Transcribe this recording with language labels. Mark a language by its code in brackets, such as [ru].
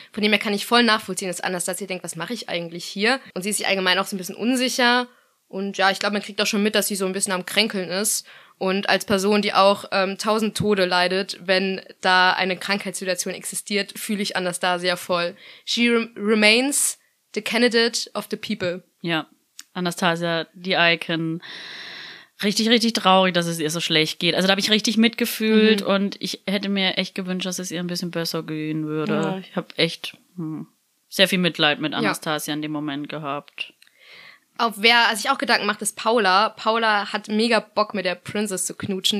[de] Von dem her kann ich voll nachvollziehen, dass Anastasia denkt, was mache ich eigentlich hier? Und sie ist sich allgemein auch so ein bisschen unsicher. Und ja, ich glaube, man kriegt auch schon mit, dass sie so ein bisschen am Kränkeln ist. Und als Person, die auch 1000 Tode leidet, wenn da eine Krankheitssituation existiert, fühle ich Anastasia voll. [en] She remains the candidate of the people. [de] Ja, Anastasia, die Icon. Richtig, richtig traurig, dass es ihr so schlecht geht. Also da habe ich richtig mitgefühlt und ich hätte mir echt gewünscht, dass es ihr ein bisschen besser gehen würde. Ja. Ich habe echt sehr viel Mitleid mit Anastasia in dem Moment gehabt. Auf wer sich auch Gedanken macht, ist Paula. Paula hat mega Bock, mit der Princess zu knutschen.